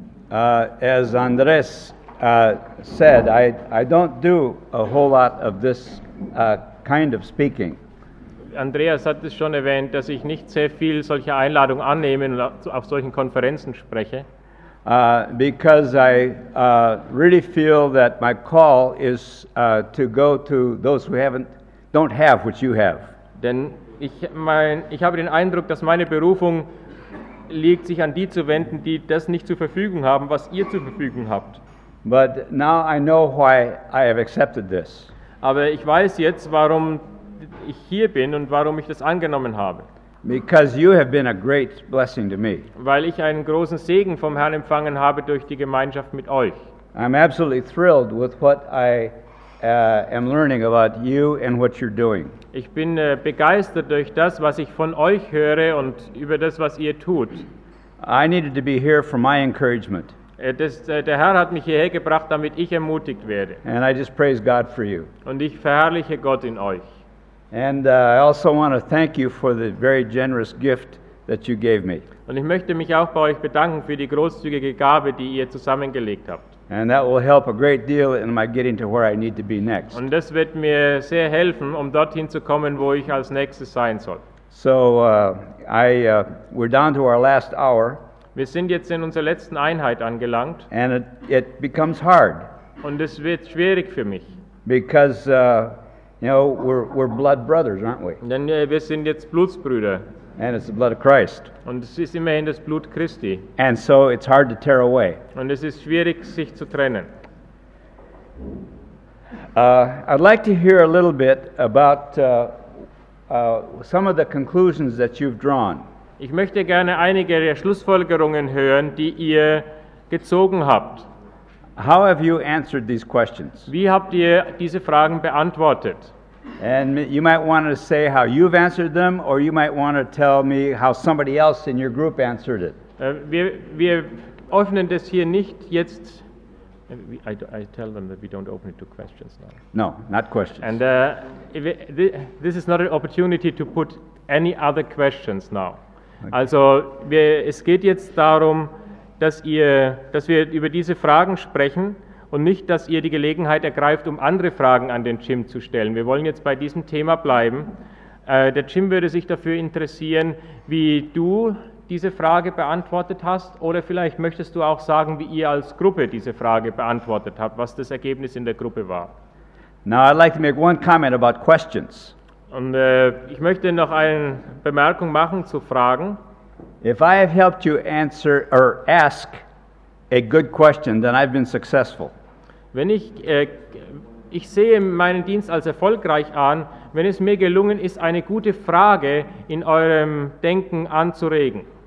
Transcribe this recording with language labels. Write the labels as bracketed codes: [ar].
[en] As Andres said, I don't do a whole lot of this kind of speaking. [de] Andreas hat es schon erwähnt, dass ich nicht sehr viel solche Einladungen annehme und auf solchen Konferenzen spreche. [en] Because I really feel that my call is to go to those who don't have what you have. [de] Denn ich habe den Eindruck, dass meine Berufung liegt, sich an die zu wenden, die das nicht zur Verfügung haben, was ihr zur Verfügung habt. [en] But now I know why I have accepted this. [de] Aber ich weiß jetzt, warum ich hier bin und warum ich das angenommen habe. [en] Because you have been a great blessing to me. [de] Weil ich einen großen Segen vom Herrn empfangen habe durch die Gemeinschaft mit euch. [en] I'm absolutely thrilled with what I am learning about you and what you're doing. [de] Ich bin begeistert durch das, was ich von euch höre und über das, was ihr tut. [en] I needed to be here for my encouragement. [de] Der Herr hat mich hierher gebracht, damit ich ermutigt werde. [en] And I just praise God for you. [de] Und ich verherrliche Gott in euch. [en] And I also want to thank you for the very generous gift that you gave me. [de] Und ich möchte mich auch bei euch bedanken für die großzügige Gabe, die ihr zusammengelegt habt. [en] And that will help a great deal in my getting to where I need to be next. [de] Und das wird mir sehr helfen, um dorthin zu kommen, wo ich als nächstes sein soll. [en] So we're down to our last hour. [de] Wir sind jetzt in unserer letzten Einheit angelangt. [en] And it becomes hard. [de] Und es wird schwierig für mich. [en] Because you know, we're blood brothers, aren't we? [de] Denn wir sind jetzt Blutsbrüder. [en] And it's the blood of Christ. [de] Und es ist immerhin das Blut Christi. [en] And so it's hard to tear away. [de] Und es ist schwierig, sich zu trennen. [en] I'd like to hear a little bit about some of the conclusions that you've drawn. [de] Ich möchte gerne einige der Schlussfolgerungen hören, die ihr gezogen habt. [en] How have you answered these questions? [de] Wie habt ihr diese Fragen beantwortet? [en] And you might want to say how you've answered them, or you might want to tell me how somebody else in your group answered it. [de] Wir öffnen das hier nicht jetzt. [en] I tell them that we don't open it to questions now. No, not questions. And this is not an opportunity to put any other questions now. Okay. [de] Also, es geht jetzt darum, dass wir über diese Fragen sprechen und nicht, dass ihr die Gelegenheit ergreift, um andere Fragen an den Jim zu stellen. Wir wollen jetzt bei diesem Thema bleiben. Der Jim würde sich dafür interessieren, wie du diese Frage beantwortet hast, oder vielleicht möchtest du auch sagen, wie ihr als Gruppe diese Frage beantwortet habt, was das Ergebnis in der Gruppe war. [en] Now I'd like to make one comment about questions. [de] Und ich möchte noch eine Bemerkung machen zu Fragen. [en] If I have helped you answer or ask a good question, then I've been successful. [de] Wenn ich sehe meinen Dienst als erfolgreich an, wenn es mir gelungen ist, eine gute Frage in eurem Denken anzuregen.